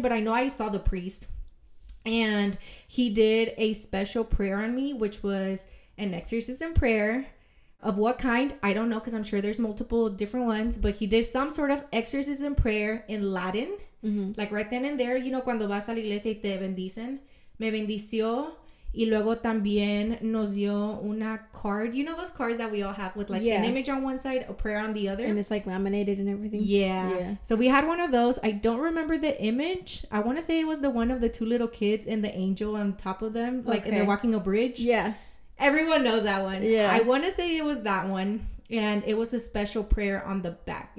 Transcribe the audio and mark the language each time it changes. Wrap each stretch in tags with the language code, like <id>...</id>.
<en>But I know I saw the priest, and he did a special prayer on me, which was an exorcism prayer. Of what kind? I don't know, because I'm sure there's multiple different ones, but he did some sort of exorcism prayer in Latin, mm-hmm. like right then and there, you know,</en> <es>cuando vas a la iglesia y te bendicen, me bendició. Y luego también nos dio una card.</es> <en>You know those cards that we all have with, like, yeah. an image on one side, a prayer on the other? And it's, like, laminated and everything. Yeah. So we had one of those. I don't remember the image. I want to say it was the one of the two little kids and the angel on top of them. Like, okay. and they're walking a bridge. Yeah. Everyone knows that one. Yeah. I want to say it was that one. And it was a special prayer on the back.</en>